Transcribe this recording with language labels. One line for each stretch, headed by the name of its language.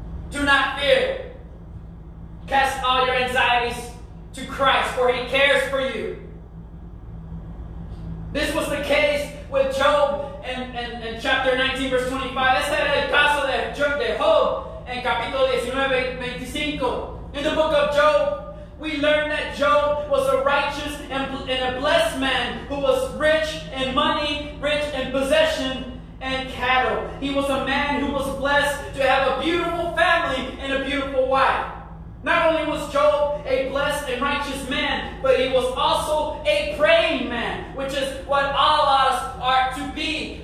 English: Do not fear. Cast all your anxieties to Christ, for He cares for you. This was the case with Job in chapter 19, verse 25.
Spanish: Este era el caso de Job de Job en capítulo 19, 25.
English: In the book of Job, we learn that Job was a righteous and a blessed man who was rich in money, rich in possession and cattle. He was a man who was blessed to have a beautiful family and a beautiful wife. Not only was Job a blessed and righteous man, but he was also a praying man, which is what all of us are to be.